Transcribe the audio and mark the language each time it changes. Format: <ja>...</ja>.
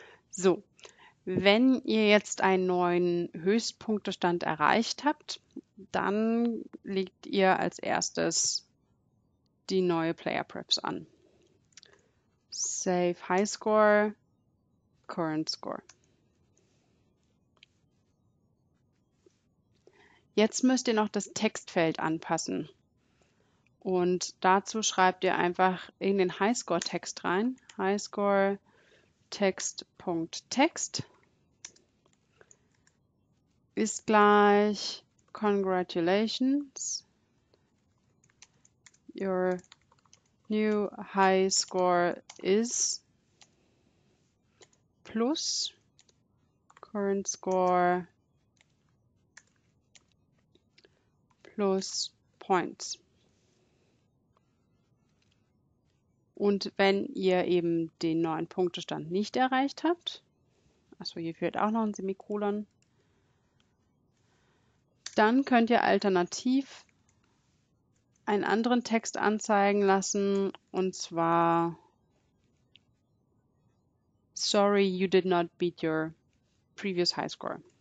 <de>So, wenn ihr jetzt einen neuen Höchstpunktestand erreicht habt, dann legt ihr als erstes die neue Player Preps an. Save High Score, Current Score. Jetzt müsst ihr noch das Textfeld anpassen. Und dazu schreibt ihr einfach in den Highscore-Text rein. Highscore Text.text ist gleich Congratulations.</de> <en>Your new high score is plus current score plus points.</en> <de>Und wenn ihr eben den neuen Punktestand nicht erreicht habt, also hier fehlt auch noch ein Semikolon, dann könnt ihr alternativ einen anderen Text anzeigen lassen, und zwar</de> <en>Sorry, you did not beat your previous high score.</en>